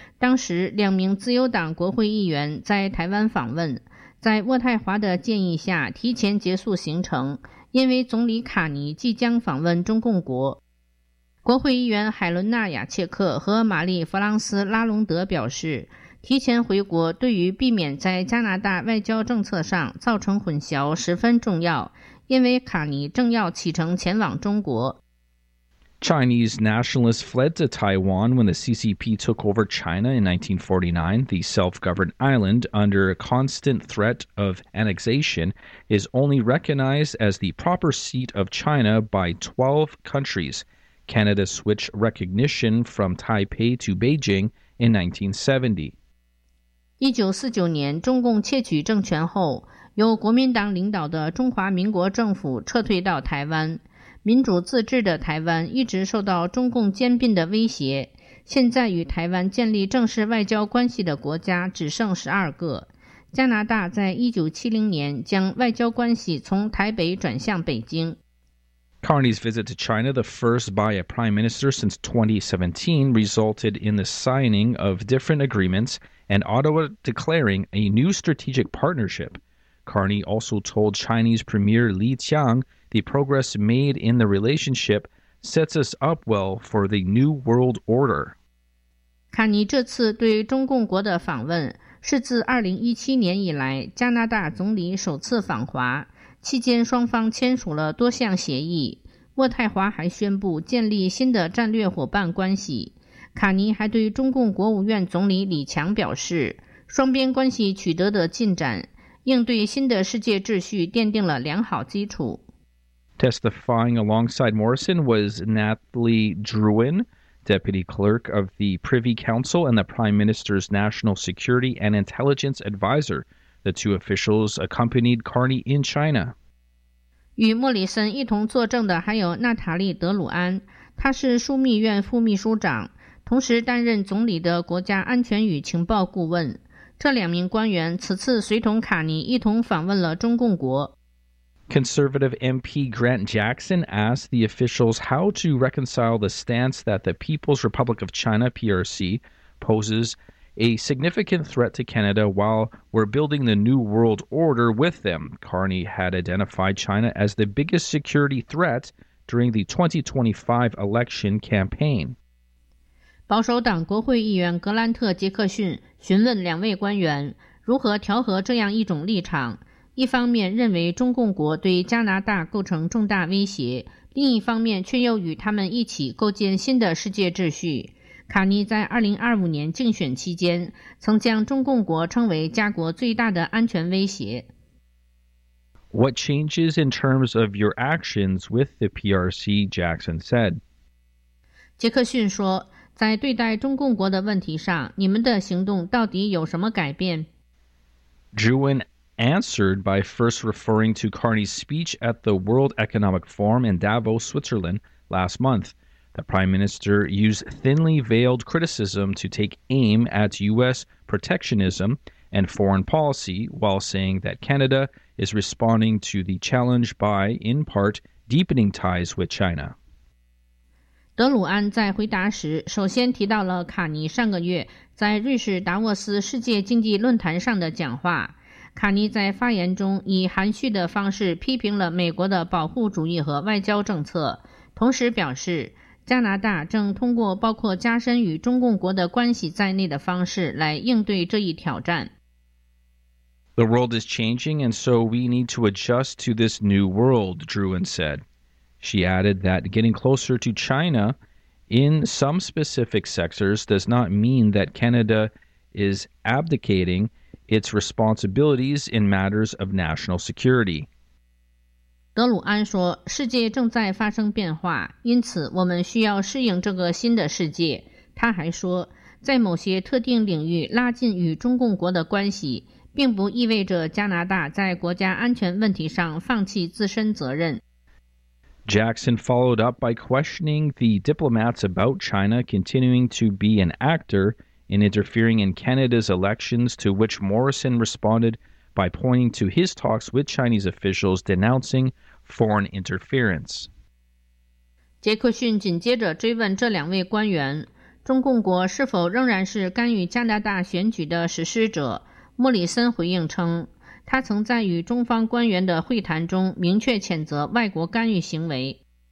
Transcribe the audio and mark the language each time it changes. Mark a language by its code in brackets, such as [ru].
[zh] 当时两名自由党国会议员在台湾访问，在渥太华的建议下提前结束行程，因为总理卡尼即将访问中共国。国会议员海伦娜·雅切克和玛丽·弗朗斯·拉隆德表示，提前回国对于避免在加拿大外交政策上造成混淆十分重要，因为卡尼正要启程前往中国。 [en] Chinese nationalists fled to Taiwan when the CCP took over China in 1949. The self-governed island, under constant threat of annexation, is only recognized as the proper seat of China by 12 countries. Canada switched recognition from Taipei to Beijing in 1970. [zh] 1949年中共窃取政权后，由国民党领导的中华民国政府撤退到台湾。民主自治的台湾一直受到中共兼并的威胁，现在与台湾建立正式外交关系的国家只剩12个。加拿大在1970年将外交关系从台北转向北京。 [en] Carney's visit to China, the first by a prime minister since 2017, resulted in the signing of different agreements and Ottawa declaring a new strategic partnership. Carney also told Chinese Premier Li Qiang, the progress made in the relationship sets us up well for the new world order. [zh] 卡尼这次对中共国的访问是自2017年以来加拿大总理首次访华，期间双方签署了多项协议，渥太华还宣布建立新的战略伙伴关系。卡尼还对中共国务院总理李强表示，双边关系取得的进展，应对新的世界秩序奠定了良好基础。 [en] Testifying alongside Morrison was Nathalie Drouin, Deputy Clerk of the Privy Council and the Prime Minister's National Security and Intelligence Advisor. The two officials accompanied Carney in China. [zh] 与莫里森一同作证的还有娜塔莉·德鲁安，她是枢密院副秘书长，同时担任总理的国家安全与情报顾问。这两名官员此次随同卡尼一同访问了中共国。 [en] Conservative MP Grant Jackson asked the officials how to reconcile the stance that the People's Republic of China, PRC, poses a significant threat to Canada while we're building the new world order with them. Carney had identified China as the biggest security threat during the 2025 election campaign. [zh] 保守党国会议员格兰特·杰克逊询问两位官员如何调和这样一种立场，一方面认为中共国对加拿大构成重大威胁，另一方面却又与他们一起构建新的世界秩序。卡尼在2025年竞选期间曾将中共国称为加国最大的安全威胁。 [en] What changes in terms of your actions with the PRC, Jackson said. [zh] 杰克逊说，在对待中共国的问题上，你们的行动到底有什么改变？ [en] Drouin answered by first referring to Carney's speech at the World Economic Forum in Davos, Switzerland last month. The Prime Minister used thinly veiled criticism to take aim at U.S. protectionism and foreign policy while saying that Canada is responding to the challenge by, in part, deepening ties with China. [zh] 德鲁安在回答时首先提到了卡尼上个月在瑞士达沃斯世界经济论坛上的讲话。卡尼在发言中以含蓄的方式批评了美国的保护主义和外交政策，同时表示加拿大正通过包括加深与中共国的关系在内的方式来应对这一挑战。 [en] The world is changing and so we need to adjust to this new world, Drouin said. She added that getting closer to China in some specific sectors does not mean that Canada is abdicating its responsibilities in matters of national security. [zh] 德鲁安说，世界正在发生变化，因此我们需要适应这个新的世界。他还说，在某些特定领域拉近与中共国的关系，并不意味着加拿大在国家安全问题上放弃自身责任。 [en] Jackson followed up by questioning the diplomats about China continuing to be an actor in interfering in Canada's elections, to which Morrison responded by pointing to his talks with Chinese officials denouncing foreign interference. [zh] 杰克逊紧接着追问这两位官员，中共国是否仍然是干预加拿大选举的实施者？莫里森回应称，他曾在与中方官员的会谈中明确谴责外国干预行为。